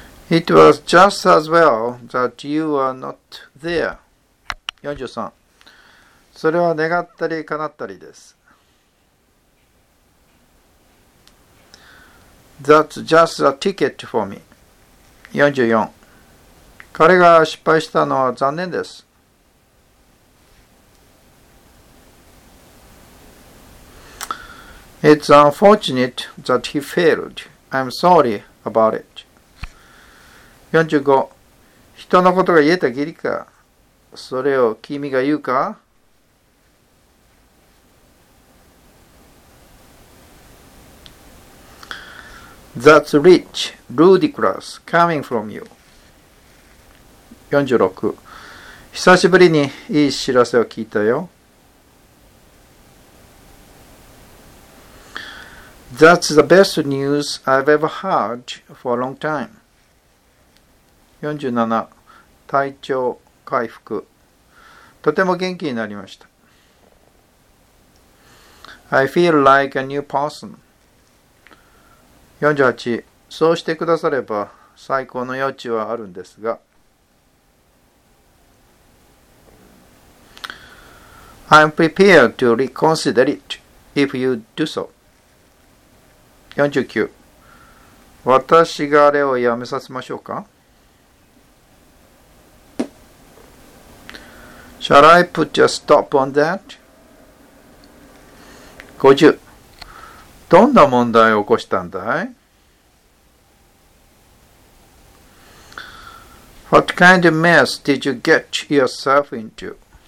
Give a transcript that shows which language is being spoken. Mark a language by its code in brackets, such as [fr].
[en] It was just as well that you were not there. 43. [ja] それは願ったり叶ったりです。 [en] That's just a ticket for me. 44. [ja] 彼が失敗したのは残念です。 [en] It's unfortunate that he failed. I'm sorry about it. 45. [ja] 人のことが言えたぎりか。それを君が言うか? [en] That's rich, ludicrous, coming from you. 46. [ja] 久しぶりにいい知らせを聞いたよ。 [en] That's the best news I've ever heard for a long time. [ja] 47. 体調回復。とても元気になりました。 [en] I feel like a new person. 48. [ja] そうしてくだされば最高の余地はあるんですが。 [en] I'm prepared to reconsider it if you do so. 49. [ja] 私があれをやめさせましょうか? [en] Shall I put a stop on that? 50. [ja] どんな問題を起こしたんだい? [en] What kind of mess did you get yourself into?